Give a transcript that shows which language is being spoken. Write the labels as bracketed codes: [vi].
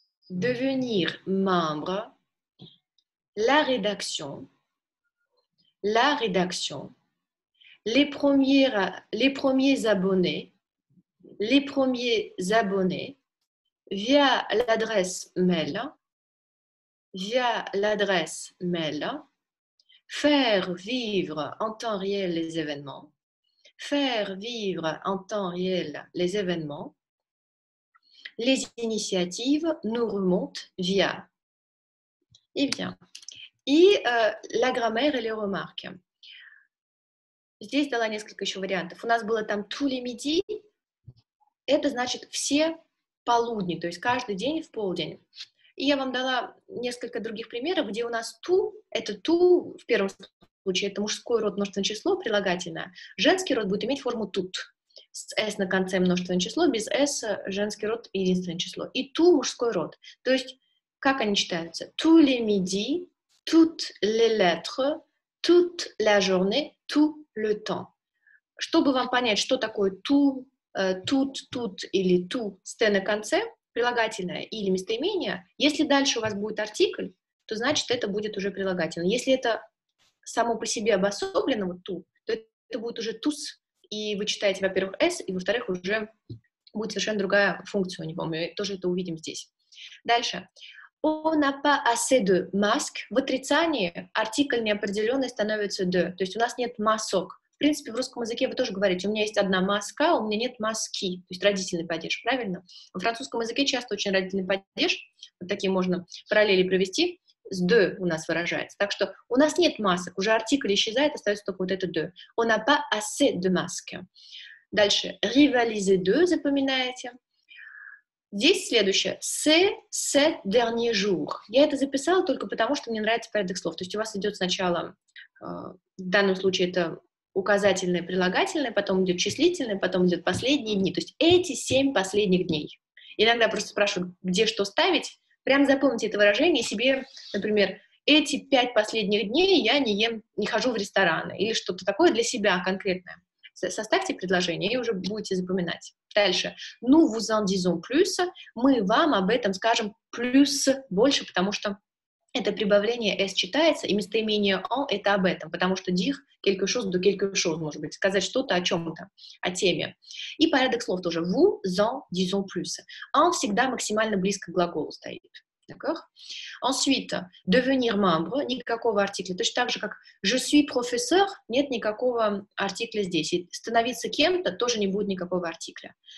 [fr] Devenir membre, la rédaction, les premiers abonnés, via l'adresse mail, faire vivre en temps réel les événements. Faire vivre en temps réel les événements. Les initiatives nous remontent via. Eh bien. La grammaire et les remarques. [ru] Здесь дала несколько еще вариантов. У нас было там [fr] tous les midis. [ru] Это значит все полудни, то есть каждый день в полдень. И я вам дала несколько других примеров, где у нас tout, это tout в первом случае. Это мужской род, множественное число, прилагательное. Женский род будет иметь форму тут. С S на конце множественное число, без S женский род единственное число. И ту мужской род. То есть, как они читаются? [fr] Tous les midis, toutes les lettres, toute la journée, tout le temps. [ru] Чтобы вам понять, что такое tout, tout или tout, с T на конце, прилагательное или местоимение, если дальше у вас будет артикль, то значит, это будет уже прилагательное. Если это само по себе обособленного ту, то это будет уже тус, и вы читаете, во-первых, s, и, во-вторых, уже будет совершенно другая функция у него. Мы тоже это увидим здесь. Дальше. [fr] On n'a pas assez de masques. [ru] В отрицании артикль неопределенный становится de. То есть у нас нет масок. В В принципе, в русском языке вы тоже говорите, у меня есть одна маска, у меня нет маски, то есть родительный падеж, правильно? Во французском языке часто очень родительный падеж, вот такие можно параллели провести, с «de» у нас выражается. Так что у нас нет масок, уже артикль исчезает, остается только вот это «de». [fr] «On n'a pas assez de masque». [ru] Дальше [fr] «rivaliser de», [ru] запоминаете. Здесь следующее [fr] «c'est ce dernier jour». [ru] Я это записала только потому, что мне нравится порядок слов. То есть у вас идет сначала, в данном случае это указательное, прилагательное, потом идет числительное, потом идет последние дни. То есть эти семь последних дней. Иногда просто спрашивают, где что ставить. Прям запомните это выражение себе, например, эти пять последних дней я не ем, не хожу в рестораны. Или что-то такое для себя конкретное. Составьте предложение и уже будете запоминать. Дальше. [fr] Nous vous en disons plus. [ru] Мы вам об этом скажем plus больше, потому что это прибавление «s» читается, и местоимение «on» — это об этом, потому что «dire» — «quelque chose» — [fr] «de quelque chose», [ru] может быть, сказать что-то о чем-то, о теме. [fr] И порядок слов тоже. «Vous en disons plus». [ru] «On» всегда максимально близко к глаголу стоит. [fr] D'accord? Ensuite, «devenir membre» — [ru] никакого артикля. Точно так же, как «je suis professeur» — нет никакого артикля здесь. И «становиться кем-то» — тоже не будет никакого артикля.